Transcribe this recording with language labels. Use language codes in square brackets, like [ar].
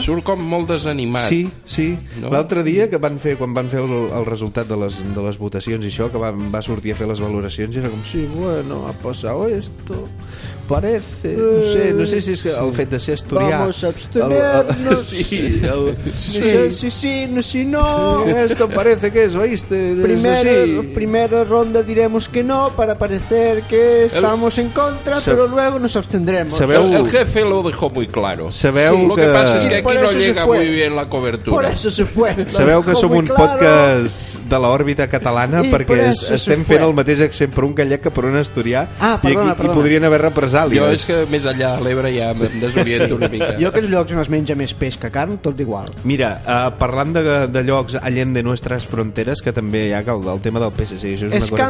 [ca] Surt com molt desanimat. Sí. No? L'altre dia, que van fer, quan van fer el resultat de les votacions i això, que va sortir a fer les valoracions, i era com, sí, bueno, [es] ha pasado esto... [ca] parece, no sé si és el fet de ser asturià. [es] Vamos a abstenernos. Sí, no. Esto parece que es, oíste. Primera ronda diremos que no para parecer que estamos en contra, pero luego nos abstendremos. [ca] Sabeu, [es] el jefe lo dejó muy claro. [ca] Sabeu, sí, que... [es] Lo que pasa es que aquí no llega muy bien la cobertura. Por eso se fue. [ca] Sabeu que som un podcast de l'òrbita catalana, perquè estem fent el mateix accent per un gallec que per un asturià. Perdona. I podrien haver representat. Jo és que més enllà de l'Ebre ja em desoriento una mica. Jo, aquests llocs on es menja més peix que carn, tot igual. Mira, parlant de llocs allent de nostres fronteres, que també hi ha el tema del PSC, això és una cosa que està...